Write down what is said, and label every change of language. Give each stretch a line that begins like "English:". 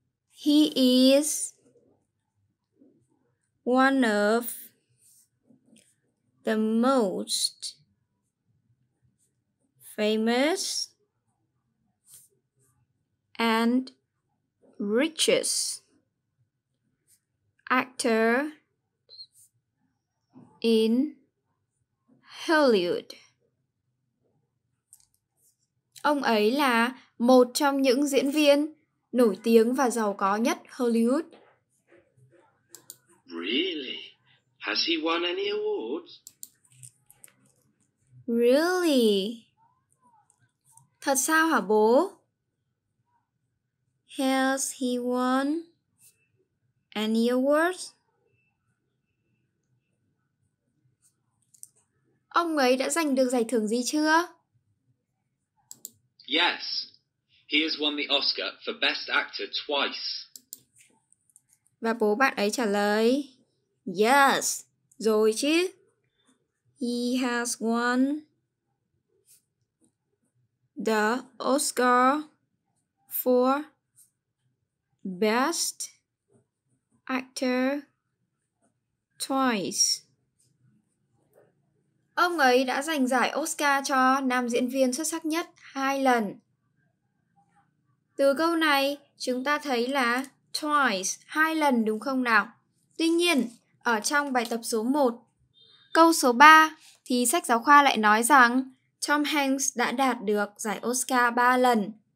English: He is one of the most famous and richest actor in Hollywood.
Vietnamese: Ông ấy là một trong những diễn viên nổi tiếng và giàu có nhất Hollywood.
English: Really? Has he won any awards? Really?
Vietnamese: Thật sao hả bố?
English: Has he won any awards?
Vietnamese: Ông ấy đã giành được giải thưởng gì chưa?
English: Yes. He has won the Oscar for Best Actor twice.
Vietnamese: Và bố bạn ấy trả lời,
English: Yes,
Vietnamese: rồi chứ.
English: He has won the Oscar for Best Actor twice.
Vietnamese: Ông ấy đã giành giải Oscar cho nam diễn viên xuất sắc nhất 2 lần. Từ câu này, chúng ta thấy là twice, 2 lần đúng không nào? Tuy nhiên, ở trong bài tập số 1, câu số 3 thì sách giáo khoa lại nói rằng Tom Hanks đã đạt được giải Oscar 3 lần.